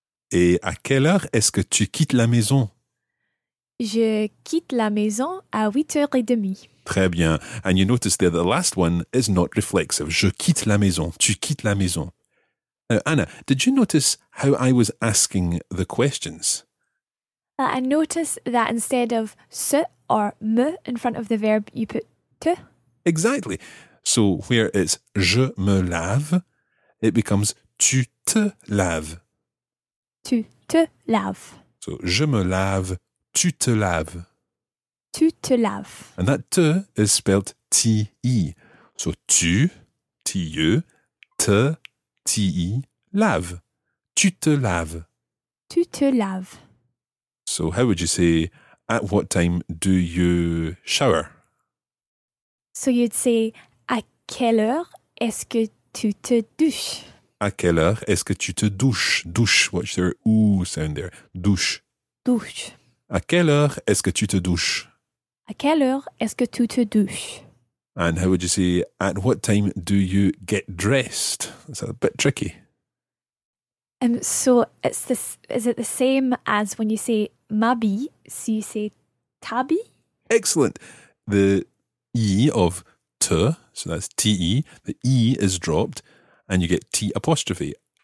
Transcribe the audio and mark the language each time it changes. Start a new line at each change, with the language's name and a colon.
French: Et à quelle heure est-ce que tu quittes la maison? Je quitte la maison à 8:30. Très bien.
English: And you notice there the last one is not reflexive.
French: Je quitte la maison. Tu quittes la maison.
English: Anna, did you notice how I was asking the questions? I noticed that instead of se or me in front of the verb, you put te. Exactly. So where it's
French: je me lave,
English: it becomes
French: tu te laves. Tu te laves.
English: So
French: je me lave, tu te laves. Tu te laves.
English: And that te is spelled T-E. So tu, T-E, te, T-E, lave.
French: Tu te laves. Tu te laves.
English: So how would you say, at what time do you shower? So you'd say,
French: à quelle heure est-ce que tu te douches? À quelle heure est-ce que tu te douches?
English: Douche, watch their OO sound there.
French: Douche. Douche. À quelle heure est-ce que tu te douches? À quelle heure est-ce que tu te douches?
English: And how would you say, at what time do you get dressed? That's a bit tricky. So, it's this. Is it the same as when you say mabi? So you say tabi? Excellent. The E of te, so that's T-E, the E is dropped, and you get T apostrophe.